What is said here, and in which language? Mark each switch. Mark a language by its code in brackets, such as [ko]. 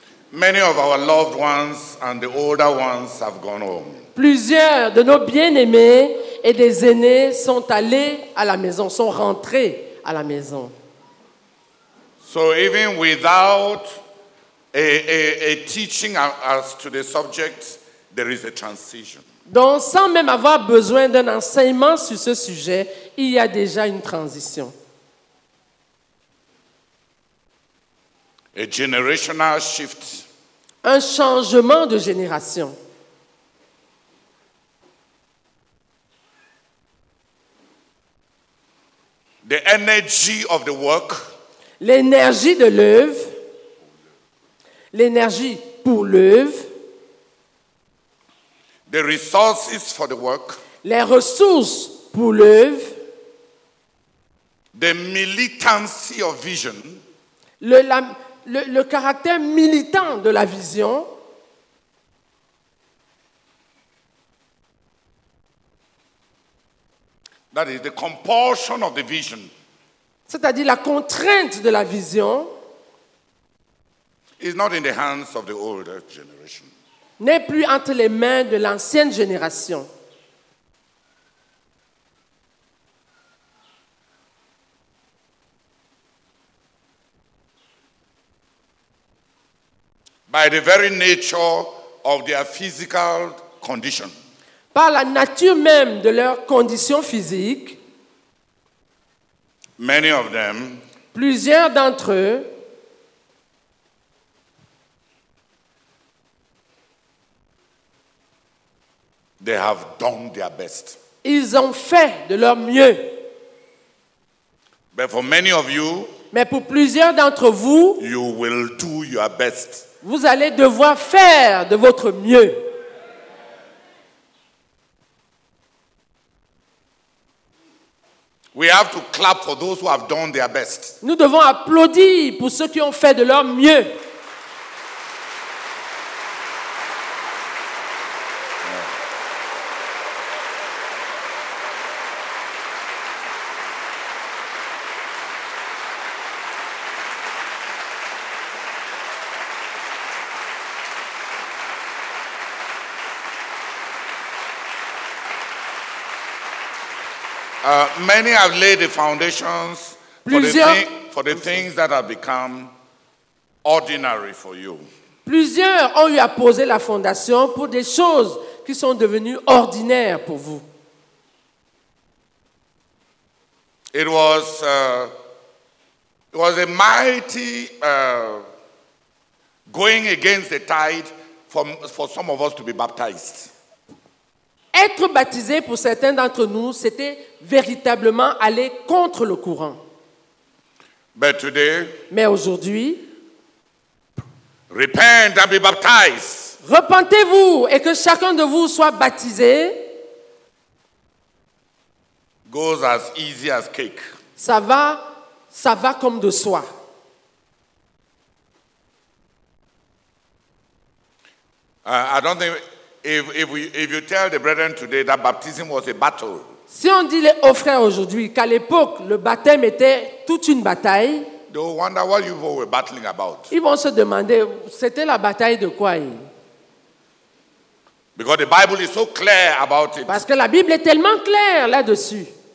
[en] Many of our loved ones and the older ones have gone home. [fr] Plusieurs de nos bien-aimés et des aînés sont allés à la maison, sont rentrés à la maison. [en] So even without a teaching as to the subject, there is a transition. [fr] Donc sans même avoir besoin d'un enseignement sur ce sujet, il y a déjà une transition. [en] A generational shift. [fr] Un changement de génération. [en] The energy of the work. [fr] L'énergie de l'œuvre. L'énergie pour l'œuvre. [en] The resources for the work. [fr] Les ressources pour l'œuvre. [en] The militancy of vision. [fr] La le caractère militant de la vision. [en] That is the compulsion of the vision. [fr] C'est-à-dire la contrainte de la vision. [en] Is not in the hands of the older generation. [fr] N'est plus entre les mains de l'ancienne génération. [en] By the very nature of their physical condition. [fr] Par la nature même de leur condition physique. [en] Many of them. [fr] Plusieurs d'entre eux. [en] They have done their best. [fr] Ils ont fait de leur mieux. [en] But for many of you, [fr] mais pour plusieurs d'entre vous, [en] you will do your best. [fr] Vous allez devoir faire de votre mieux. [en] We have to clap for those who have done their best. [fr] Nous devons applaudir pour ceux qui ont fait de leur mieux. [en] Many have laid the foundations for the things that have become ordinary for you. [fr] Plusieurs ont eu à poser la fondation pour des choses qui sont devenues ordinaires pour vous. [en] It was a mighty going against the tide for some of us to be baptized. [fr] Être baptisé pour certains d'entre nous, c'était véritablement aller contre le courant. [en] But today, [fr] mais aujourd'hui, [en] repent and be baptized. [fr] Repentez-vous et que chacun de vous soit baptisé. [en] Goes as easy as cake. [fr] Ça va comme de soi. [en] I don't think. If you tell the brethren today that baptism was a battle. [fr] Si on dit aux frères aujourd'hui qu'à l'époque le baptême était toute une bataille. [en] They will wonder what you were battling about. [fr] Ils vont se demander c'était la bataille de quoi. [en] Because the Bible is so clear about it. [fr] Parce que la Bible est tellement claire là-dessus.